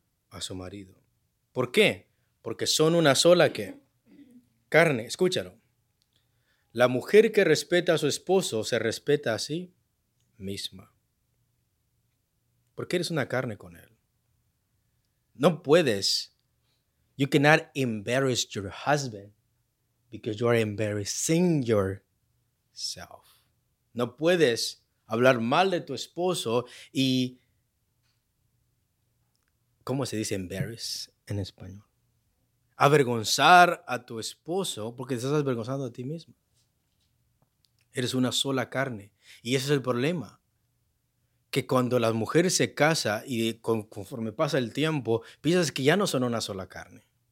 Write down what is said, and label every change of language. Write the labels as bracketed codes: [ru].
[es] A su marido. ¿Por qué? Porque son una sola ¿qué? Carne. Escúchalo. La mujer que respeta a su esposo se respeta a sí misma. Porque eres una carne con él. No puedes. [en] You cannot embarrass your husband because you are embarrassing yourself. [es] No puedes hablar mal de tu esposo y... ¿Cómo se dice embarrass en español? Avergonzar a tu esposo porque te estás avergonzando a ti mismo. Eres una sola carne. Y ese es el problema. Que cuando la mujer se casa y conforme pasa el tiempo, piensas que ya no son una sola carne.